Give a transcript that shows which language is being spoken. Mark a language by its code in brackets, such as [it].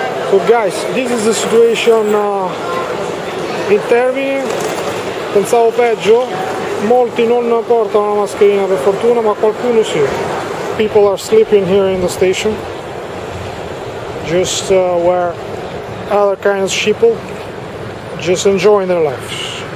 [en] So guys, this is the situation in Termini. [it] Pensavo peggio. Molti non portano la mascherina per fortuna, ma qualcuno sì. [en] People are sleeping here in the station. Just where other kinds of sheeple just enjoying their lives.